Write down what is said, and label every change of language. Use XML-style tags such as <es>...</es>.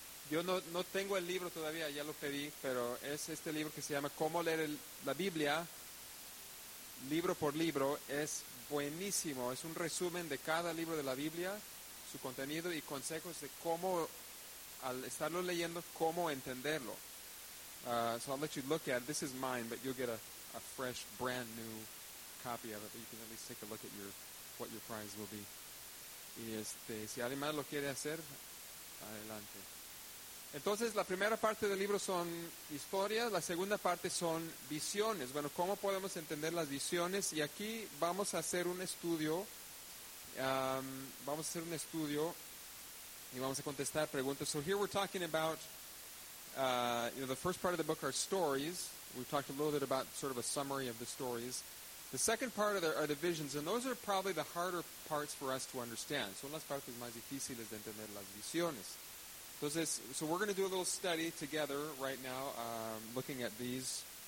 <es>Yo no tengo el libro todavía, ya lo pedí, pero es este libro que se llama Cómo leer la Biblia, libro por libro. Es buenísimo. Es un resumen de cada libro de la Biblia, su contenido y consejos de cómo, al estarlo leyendo, cómo entenderlo.</es> <en>So I'll let you look at it. This is mine, but you'll get a fresh, brand new copy of it. But you can at least take a look at what your prize will be.</en> <es>Y si alguien más lo quiere hacer, adelante. Entonces, la primera parte del libro son historias. La segunda parte son visiones. Bueno, ¿cómo podemos entender las visiones? Y aquí vamos a hacer un estudio. Vamos a hacer un estudio y vamos a contestar preguntas.</es> <en>So here we're talking about, you know, the first part of the book are stories. We've talked a little bit about sort of a summary of the stories. The second part are the visions, and those are probably the harder parts for us to understand.</en> <es>Son las partes más difíciles de entender las visiones.</es> <en>Entonces, so we're going to do a little study together right now, looking at these.</en>